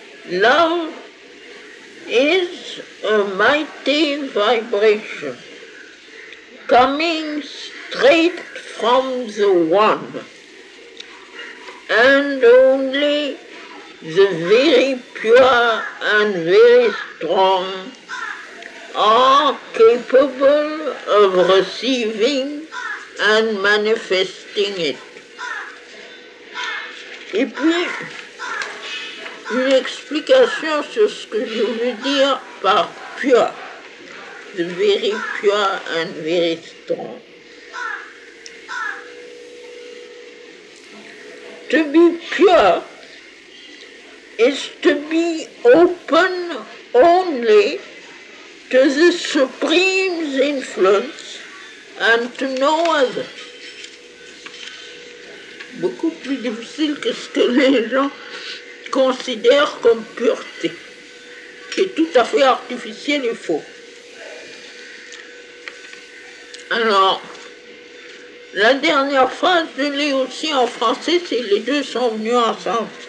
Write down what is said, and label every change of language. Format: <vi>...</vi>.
<en>Love is a mighty vibration coming straight from the one and only the very pure and very strong are capable of receiving and manifesting it.</en> <fr>Et puis, une explication sur ce que je veux dire par pure,</fr> <en>the very pure and very strong. To be pure is to be open only to the Supreme's influence and to no other.</en> <fr>Beaucoup plus difficile que ce que les gens considèrent comme pureté, qui est tout à fait artificiel et faux. Alors, la dernière phrase, je l'ai aussi en français, c'est les deux sont venus ensemble.</fr>